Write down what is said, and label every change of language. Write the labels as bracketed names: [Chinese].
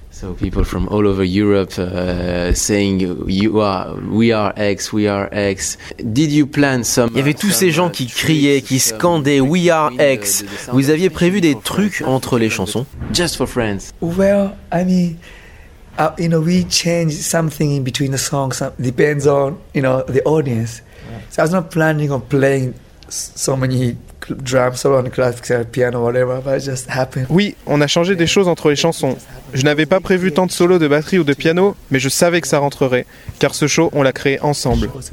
[English] So people from all over Europe saying we are ex. Did you plan some? [French] Il y avait tous ces gens qui criaient, qui scandaient [English] we are ex. [French] Vous aviez prévu des trucs entre les chansons? [English] Just for friends. Well, I mean, you know, we change something in between the songs. Depends on, you know, the audience. So I was not planning on playing so many drums, solo and classics, piano, whatever, but it just happened. [French] Oui, on a changé des choses entre les chansons. Je n'avais pas prévu tant de solos de batterie ou de piano, mais je savais que ça rentrerait, car ce show, on l'a créé ensemble.